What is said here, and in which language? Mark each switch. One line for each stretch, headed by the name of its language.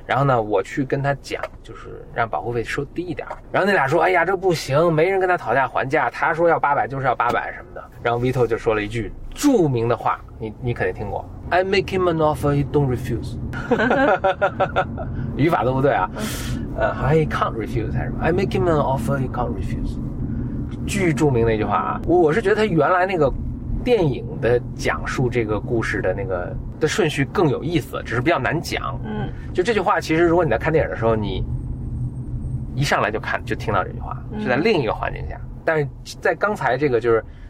Chinese: 然后呢，我去跟他讲，就是让保护费收低一点。然后那俩说：哎呀，这不行，没人跟他讨价还价。他说要800，就是要800什么的。然后 Vito 就说了一句著名的话，你肯定听过 ：
English: I make him an offer, he don't refuse
Chinese: 。语法都不对啊。”
English: I can't refuse
Chinese: 还是什么
English: ？I make him an offer, he can't refuse。
Chinese: 巨著名的一句话啊，我是觉得他原来那个电影的讲述这个故事的那个的顺序更有意思，只是比较难讲。嗯，就这句话，其实如果你在看电影的时候，你一上来就听到这句话，是在另一个环境下。但是在刚才这个就是